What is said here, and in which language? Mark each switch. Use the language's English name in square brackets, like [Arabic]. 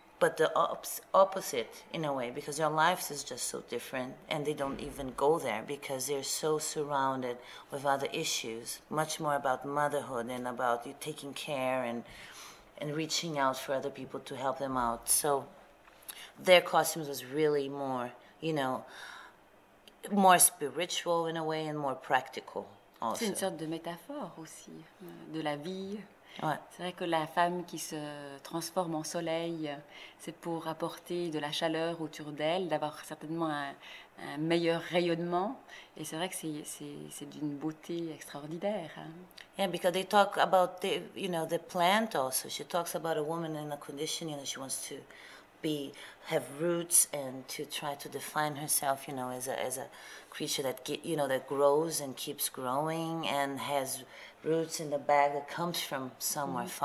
[English] But the opposite, in a way, because their lives is just so different, and they don't even go there because they're so surrounded with other issues, much more about motherhood and about you taking care and reaching out for other people to help them out. So their costumes was really more, you know, more spiritual in a way and more practical also. [French] C'est une sorte de métaphore aussi, de la vie. Ouais. C'est vrai que la femme qui se transforme en soleil, c'est pour apporter de la chaleur autour d'elle, d'avoir certainement un meilleur rayonnement. Et c'est vrai que c'est d'une beauté extraordinaire. [English] Yeah, because they talk about the, you know, the plant also. She talks about a woman in a condition, you know, she wants to be, have roots and to try to define herself, you know, as a creature that, you know, that grows and keeps growing and has roots in the bag that comes from somewhere mm-hmm.